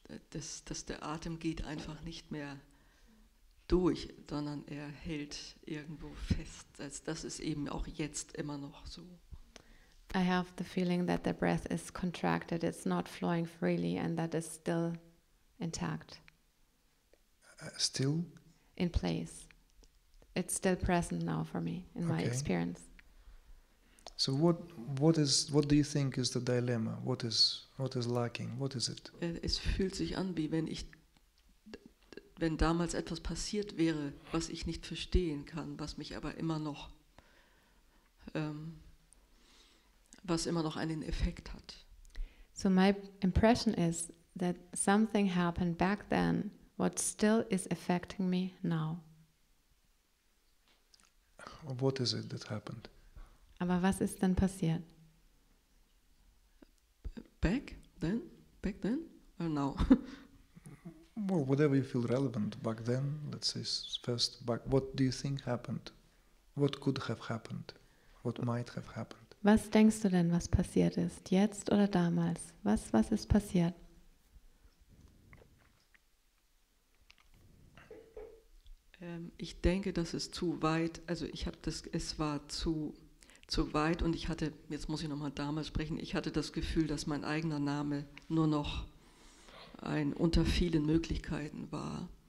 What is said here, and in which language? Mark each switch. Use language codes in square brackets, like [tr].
[de] Dass der Atem geht einfach nicht mehr durch, sondern er hält irgendwo fest. Also das ist eben auch jetzt immer noch so. [en] I have the feeling that the breath is contracted, it's not flowing freely, and that is still intact. Still? In place. It's still present now for me, in okay. My experience. So what do you think is the dilemma? What is lacking? What is it? [de] Es fühlt sich an, wie wenn damals etwas passiert wäre, was ich nicht verstehen kann, was mich aber immer noch was immer noch einen Effekt hat. [en] So my impression is that something happened back then, what still is affecting me now. What is it that happened? [de] Aber was ist denn passiert? [en] Back then or now? Well, whatever you feel relevant back then, let's say first back, what do you think happened? What could have happened? What might have happened? [de] Was denkst du denn, was passiert ist, jetzt oder damals? Was ist passiert? Ich denke, das ist zu weit. Also ich habe das, es war zu weit und ich hatte, jetzt muss ich nochmal damals sprechen, ich hatte das Gefühl, dass mein eigener Name nur noch ein unter vielen Möglichkeiten war.